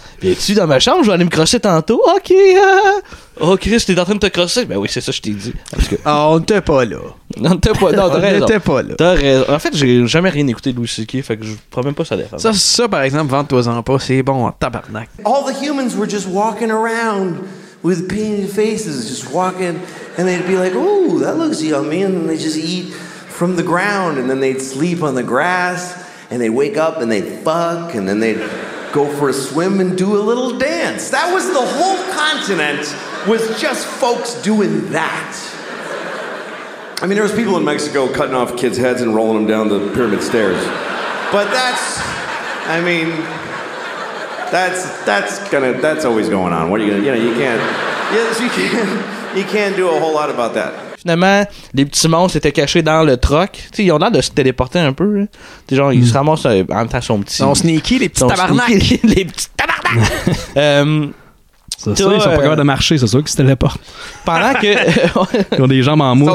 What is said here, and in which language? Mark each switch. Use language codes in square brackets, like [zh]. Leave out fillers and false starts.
[fr] Es-tu dans ma chambre? Je vais aller me crosser tantôt. OK. Oh, Chris, t'es en train de te crosser? Ben oui, c'est ça que je t'ai dit. Parce que... Ah, on n'était pas là. On n'était pas là. Non, t'as raison. On n'était pas là. T'as raison. En fait, j'ai jamais rien écouté de Louis C.K., fait que je ne prends même pas sa défense. Ça, par exemple, vente-toi-en pas, c'est bon en tabarnak. [en] All the humans were just walking around with painted faces, just walking, and they'd be like, ooh, that looks yummy, and then they just eat from the ground, and then they'd sleep on the grass, and they'd wake up, and they'd fuck, and then they'd... go for a swim and do a little dance. That was the whole continent, was just folks doing that. I mean, there was people in Mexico cutting off kids' heads and rolling them down the pyramid stairs. But that's always going on. What are you gonna, you can't do a whole lot about that. [fr] Finalement, les petits monstres étaient cachés dans le troc. Ils ont l'air de se téléporter un peu. Hein. Genre, ils se ramassent en même temps son petit. Ils sont sneaky, les petits tabarnak. Les petits tabarnak. ils sont pas capables de marcher, c'est sûr qu'ils se téléportent. Pendant que. Ils ont des jambes en mousse.